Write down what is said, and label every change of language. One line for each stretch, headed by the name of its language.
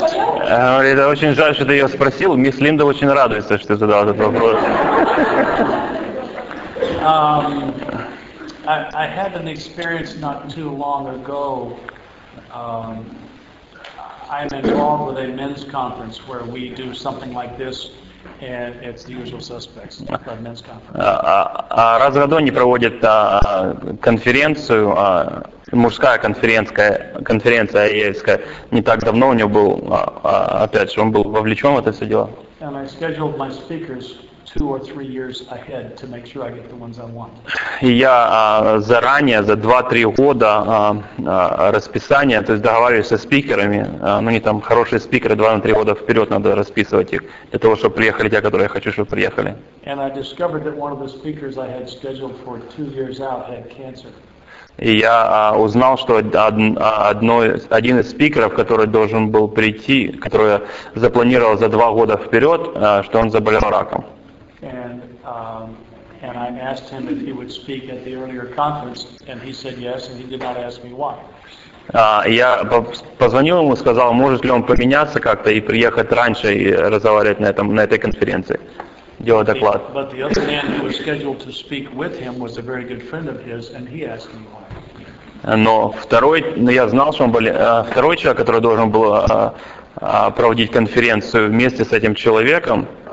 Russian: Говорит, очень жаль, что ты ее спросил. Мисс Линда очень радуется, что ты задал этот вопрос.
English: I had an experience not too long ago. I'm involved with a men's conference where we do something like this, and it's the usual suspects. A men's conference.
Russian: Раз в году они проводят конференцию, мужская конференция ЕСКА. Не так давно у него был, опять же, он был вовлечен в это все дело.
English: And I scheduled my speakers 2 or 3 years ahead to make sure I get the ones I want.
Russian: И я заранее за 2-3 года расписание, то есть договариваюсь со спикерами, ну не там хорошие спикеры 2-3 года вперед надо расписывать их для того, чтобы приехали те, которые я хочу, чтобы приехали.
English: And I discovered that one of the speakers I had scheduled for 2 years out had cancer.
Russian: И я узнал, что один из спикеров, который должен был прийти, который я запланировал за 2 года вперед, что он заболел раком.
English: And I asked him if he would speak at the earlier conference, and he said yes, and he did not ask me why.
Russian: Я позвонил ему, сказал, может ли он поменяться как-то и приехать раньше и разговаривать на этой конференции, делать доклад.
English: But the other man who was scheduled to speak with him was a very good friend of his, and he asked me why.
Russian: Но я знал, что он был второй человек, который должен был проводить конференцию вместе с этим человеком.